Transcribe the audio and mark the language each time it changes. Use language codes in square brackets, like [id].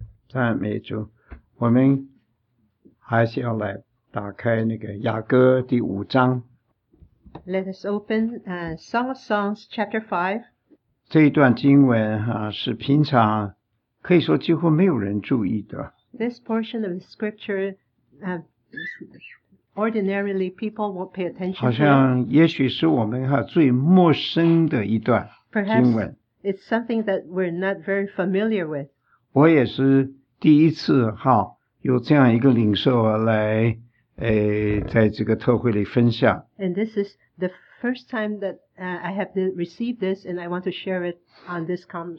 [zh] 赞美主，我们还是要来打开那个雅歌第五章。 [en] Let us open Song of Songs chapter 5. [zh] 这一段经文啊，是平常可以说几乎没有人注意的。 [en] This portion of the scripture, ordinarily people won't pay attention to. [zh] 好像也许是我们哈最陌生的一段经文。 [en] Perhaps it's something that we're not very familiar with. [zh] 我也是第一次哈有这样一个领受来在这个特会里分享。 [en] And this is the first time that I have received this, and I want to share it on this conference.